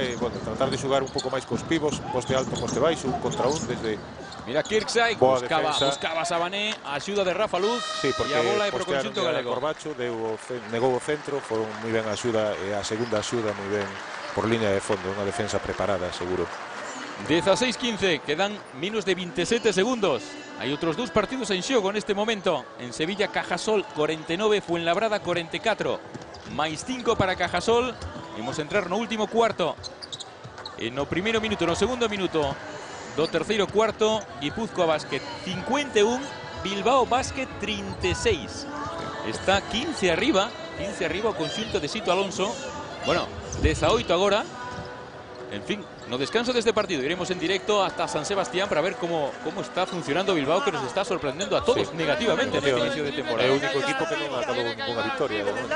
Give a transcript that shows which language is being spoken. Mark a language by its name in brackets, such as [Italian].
[Galician] E, bueno, tratar de xogar un pouco máis cos pivos, poste alto, poste baixo, un contra un desde... [Spanish] Mira Kirksey, buscaba Sabané, ayuda de Rafa Luz. Sí, porque Corbacho negó el centro, fue muy bien ayuda, a segunda ayuda muy bien por línea de fondo, una defensa preparada, seguro. 16-15, quedan menos de 27 segundos. Hay otros dos partidos en juego en este momento. En Sevilla, Cajasol 49, Fuenlabrada 44. Más 5 para Cajasol. Vamos a entrar en el último cuarto. En el primero minuto, en el segundo minuto. [Galician] Do terceiro cuarto, Guipúzcoa Basket 51, Bilbao Basket 36. Está 15 arriba o conxunto de Sito Alonso. Bueno, 18 agora. En fin, no descanso deste partido. Iremos en directo hasta San Sebastián para ver como está funcionando Bilbao, que nos está sorprendendo a todos, sí, negativamente en este inicio de temporada. É o único equipo que non ha dado unha victoria.